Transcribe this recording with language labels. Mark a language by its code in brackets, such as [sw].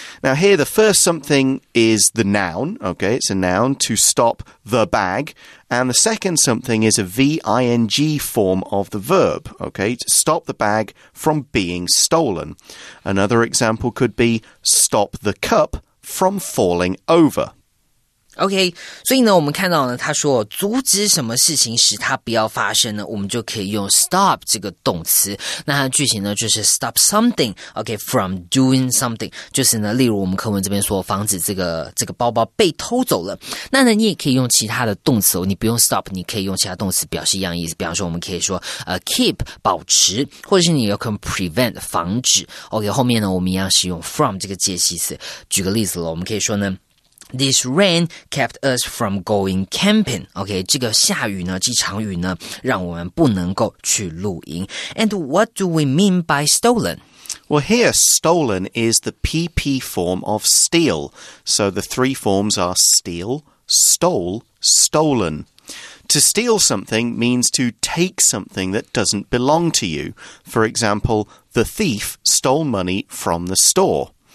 [en] Now, here the first something is the noun. Okay, it's a noun, to stop the bag. And the second something is a V-I-N-G form of the verb, okay, to stop the bag from being stolen. Another example could be stop the cup from falling over. [zh] OK, 所以呢我们看到呢他说阻止什么事情使它不要发生呢，我们就可以用 stop 这个动词。那它的句型呢就是 [en] stop something, [zh] OK, [en] from doing something, [zh] 就是呢例如我们课文这边说防止这个包包被偷走了。那呢你也可以用其他的动词哦，你不用 stop, 你可以用其他动词表示一样意思。比方说我们可以说keep, 保持，或者是你有可能 prevent, 防止。 OK, 后面呢我们一样是用 from 这个介系词。举个例子了，我们可以说呢 [en] This rain kept us from going camping. [zh] Okay, 这个下雨呢，这场雨呢，让我们不能够去露营。 [en] And what do we mean by stolen? Well, here, stolen is the PP form of steal. So the three forms are steal, stole, stolen. To steal something means to take something that doesn't belong to you. For example, the thief stole money from the store.